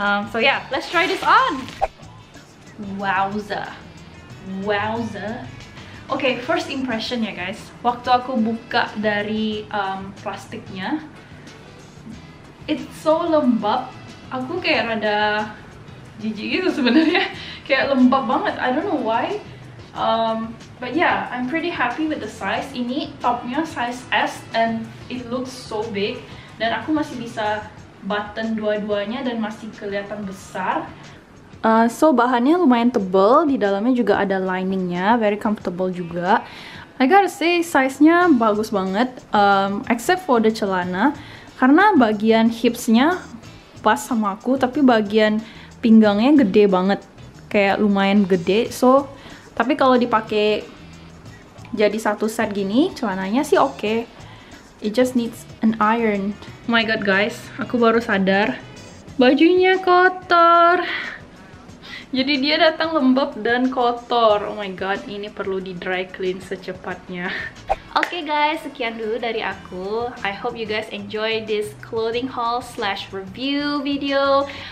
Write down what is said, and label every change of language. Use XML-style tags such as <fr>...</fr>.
<en>So yeah, let's try this on. Wowza, wowza. Okay, first impression</en> <id>ya guys. Waktu aku buka dari plastiknya,</id> <en>it's so</en> <id>lembab. Aku kayak rada jijik gitu sebenarnya. Kayak lembab banget.</id> <en>I don't know why. But yeah, I'm pretty happy with the size.</en> <id>Ini topnya</id> <en>size S and it looks so big.</en> <id>Dan aku masih bisa button dua-duanya dan masih kelihatan besar. So bahannya lumayan tebel, di dalamnya juga ada liningnya,</id> <en>very comfortable</en> <id>juga.</id> <en>I gotta say,</en> <id>size-nya bagus banget,</id> <en>except for the celana.</en> <id>Karena bagian hips-nya pas sama aku, tapi bagian pinggangnya gede banget. Kayak lumayan gede, so tapi kalau dipakai jadi satu set gini, celananya sih okay.</id> <en>It just needs an iron. Oh my god guys,</en> <id>aku baru sadar bajunya kotor. Jadi dia datang lembab dan kotor.</id> <en>Oh my god,</en> <id>ini perlu di dry clean secepatnya. Okay guys, sekian dulu dari aku.</id> <en>I hope you guys enjoy this clothing haul / review video.</en>